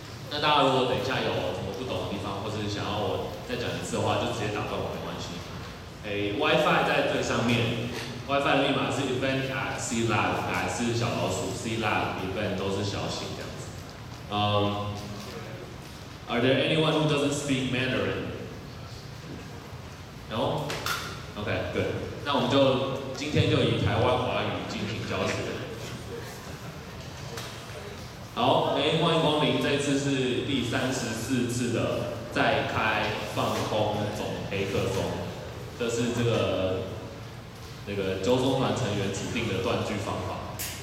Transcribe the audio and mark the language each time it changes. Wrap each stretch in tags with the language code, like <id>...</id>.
<zh>那大家如果等一下有什么不懂的地方，或是想要我再讲一次的话，就直接打断我没关系。 WiFi 在最上面 ，WiFi 的密码是 event at clab， 还是小老鼠 clab event 都是小写这样子。</zh> <en>Are there anyone who doesn't speak Mandarin？ No？ OK， good。</en> <zh>那我们就今天就以台湾华语进行教学。好，欢迎光临，这次是第34次的再开放空总黑客松，这是这个那个纠松团成员指定的断句方法。</zh>